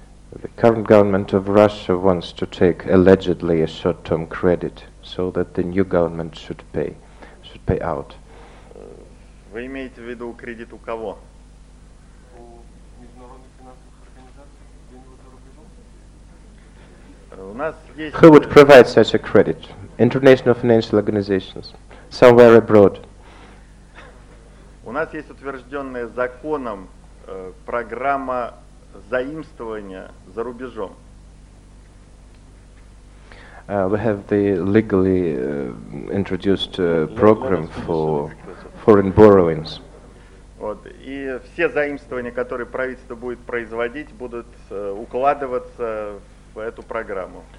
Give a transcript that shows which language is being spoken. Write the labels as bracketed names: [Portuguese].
[English] The current government of Russia wants to take allegedly a short-term credit so that the new government should pay out. [Russian] Вы имеете в виду кредит у кого? У международных финансовых организаций, где-нибудь за рубежом? У нас есть... [English] Who would provide such a credit? International financial organizations? Somewhere abroad? [Russian] У нас есть утвержденная законом программа заимствования за рубежом. [English] We have the legally introduced program for foreign borrowings. [Russian] Вот. И все заимствования, которые правительство будет производить, будут укладываться в эту программу.